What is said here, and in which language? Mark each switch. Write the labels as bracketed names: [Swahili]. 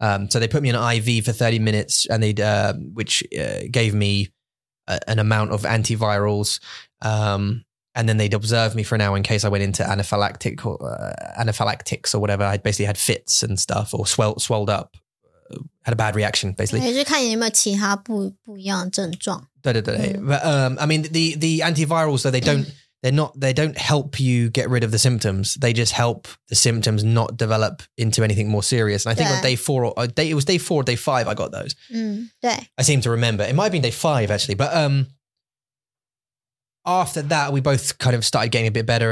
[English] So they put me on an IV for 30 minutes, and they which gave me an amount of antivirals. And then they'd observe me for an hour in case I went into anaphylactics or whatever. I basically had fits and stuff or swelled up. Had a bad reaction, basically. [Chinese] 也是看你有没有其他不一样的症状。对对对。 [English] But I mean, the antivirals, though, they don't help you get rid of the symptoms. They just help the symptoms not develop into anything more serious. And I think on day four, it was day four or day five, I got those. [Chinese] 对。 [English] I seem to remember. It might have been day five, actually. But after that, we both kind of started getting a bit better.